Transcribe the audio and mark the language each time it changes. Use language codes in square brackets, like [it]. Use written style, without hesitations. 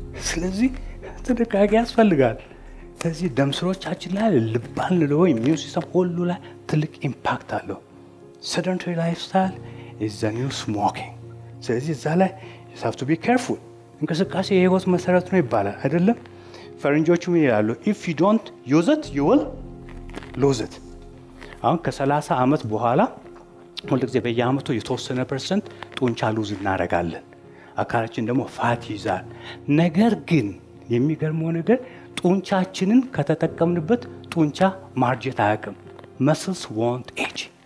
[am] ስለዚህ ተደጋጋሚ ያስፈልጋል ስለዚህ ደም ስሮቻችን ላይ ልባል ነው ወይ immune system ሁሉ ላይ ትልቅ ኢምፓክት አለው [en] sedentary lifestyle is the new smoking [am] ስለዚህ ዛለ [en] you have to be careful [am] እንቅስቃሴ የህይወት መሰረት ነው ይባላል አይደለም? ፈረንጆቹም ይላሉ [en] if you don't use it you will lose it. [am] አሁን ከ30 አመት በኋላ ሁሉ ጊዜ በየአመቱ የተወሰነ ፐርሰንት ጡንቻ ሉዝ እናረጋለን። አካላችን ደግሞ ፋት ይዛል። ነገር ግን የሚገርመው ነገር ጡንቻችንን ከተጠቀምንበት ጡንቻ ማርጀት አያውቅም። [en] Muscles won't age.